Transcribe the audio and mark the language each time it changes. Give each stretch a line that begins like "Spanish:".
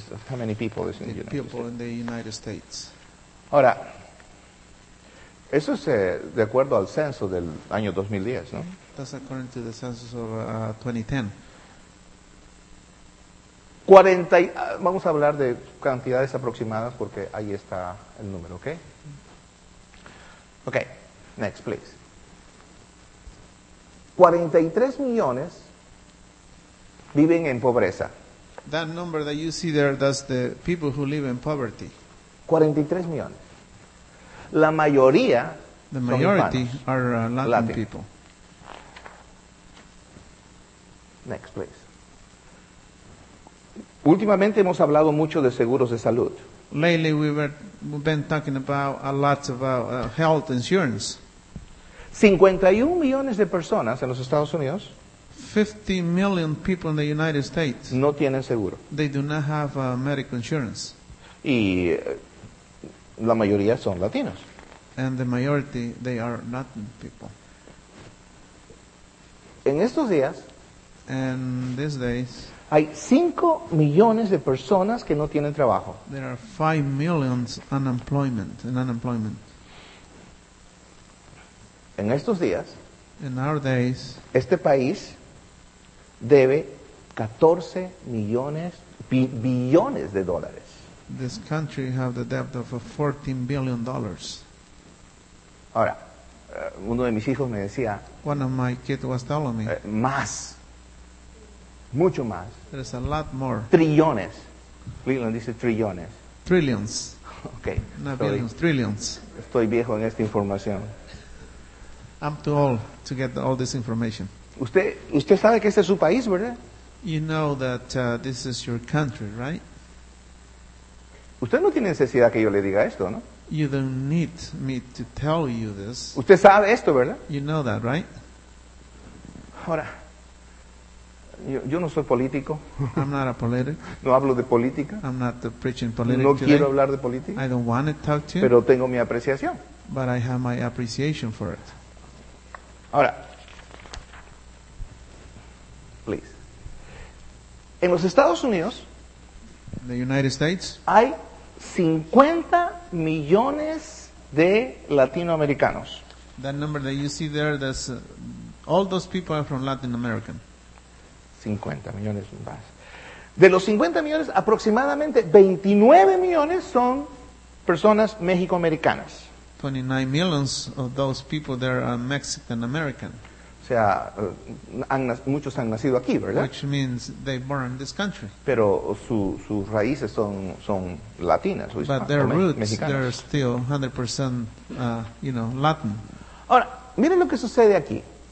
English: how many people is in the United States. People in the United States.
Spanish: Ahora, eso es de acuerdo al censo del año 2010, ¿no?
English: That's according to the census of 2010.
Spanish: 40, vamos a hablar de cantidades aproximadas porque ahí está el número, ¿ok?
English: Ok, next, please.
Spanish: 43 millones viven en pobreza.
English: That number that you see there, that's the people who live in poverty.
Spanish: 43 millones. La mayoría
English: the majority
Spanish: son hispanos,
English: are Latin people. Next, please.
Spanish: Últimamente hemos hablado mucho de seguros de salud.
English: Lately we've been talking about a lot about health insurance.
Spanish: 51 millones de personas en los Estados Unidos.
English: 50 million people in the United States.
Spanish: No tienen seguro.
English: They do not have medical insurance.
Spanish: Y la mayoría son latinos.
English: And the majority they are Latin people.
Spanish: En estos días.
English: And these days.
Spanish: Hay 5 millones de personas que no tienen trabajo.
English: There are 5 million unemployment, in unemployment.
Spanish: En estos días,
English: in our days,
Spanish: este país debe 14 millones billones de dólares.
English: This country have the debt of $14 billion.
Spanish: Ahora, uno de mis hijos me decía,
English: one of my kids was telling me,
Spanish: más. Mucho más.
English: There's a lot more.
Spanish: Trillones. Leland dice trillones.
English: Trillions. Okay. Not billions, trillions.
Spanish: Estoy viejo en esta información.
English: I'm too old to get all this information.
Spanish: Usted sabe que este es su país, ¿verdad?
English: You know that this is your country, right?
Spanish: Usted no tiene necesidad que yo le diga esto, ¿no?
English: You don't need me to tell you this.
Spanish: Usted sabe esto, ¿verdad?
English: You know that, right?
Spanish: Ahora, Yo no soy político.
English: I'm not a politic.
Spanish: No hablo de política.
English: I'm not preaching politics.
Spanish: No
English: today.
Spanish: Quiero hablar de política.
English: I don't want to talk to you.
Spanish: Pero tengo mi apreciación.
English: But I have my appreciation for it. Ahora, please.
Spanish: En los Estados Unidos,
English: the United States,
Spanish: hay 50 millones de latinoamericanos.
English: That number that you see there, that's all those people are from Latin America.
Spanish: 50 millones más. De los 50 millones, aproximadamente 29 millones son personas mexicoamericanas.
English: 29 millions of those people there are Mexican American.
Spanish: O sea, muchos han nacido aquí, ¿verdad?
English: Which means they born in this country.
Spanish: Pero sus raíces son latinas, o
English: but their roots they're still 100% Latin.
Spanish: Ahora, miren lo que sucede aquí.